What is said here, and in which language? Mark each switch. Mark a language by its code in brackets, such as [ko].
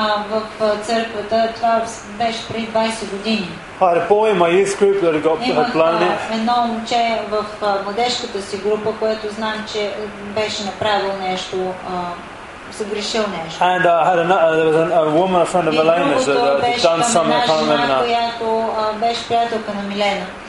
[bg] в църквата, това беше преди 20 години. [en] I had a boy in my youth group that had blown it. [bg] Едно момче в младежката си група, което знам, че беше направил нещо, съгрешил нещо. [en] And I had there was a woman, a friend of Elena's, that had done something, I can't remember now. [bg] Която беше приятелка на Милена.